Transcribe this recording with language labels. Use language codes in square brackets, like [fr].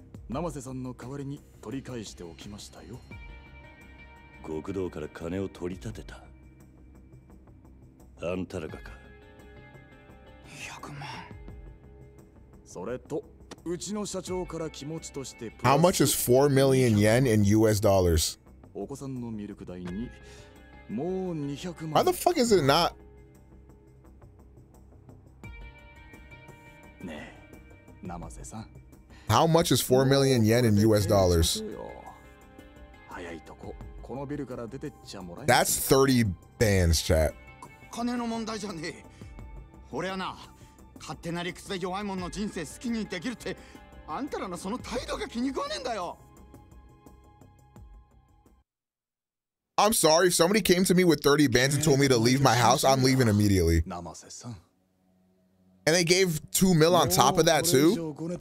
[ja] 生瀬さんの代わりに取り返しておきましたよ。極道から金を取り立てたあんたらがか。 200万。それとうちの社長から気持ちとして、 [en] How much is 4 million yen in US dollars? [ja] お子さんのミルク代にもう200万。 [en] How the fuck is it not? [ja] ねえ、生瀬さん。 [en] How much is 4 million yen in US dollars? [ja] 早いとこ、このビルから出てっちゃもらえ。 [en] That's 30 bands, chat. [ja] 金の問題じゃねえ。俺はな、勝手な理屈で弱いもんの人生好きにできるって、あんたらのその態度が気に食わねえんだよ。 [en] I'm sorry, if somebody came to me with 30 bands and told me to leave my house, I'm leaving immediately. [ja] 生瀬さん。 [en] And they gave 2 mil on top of that too?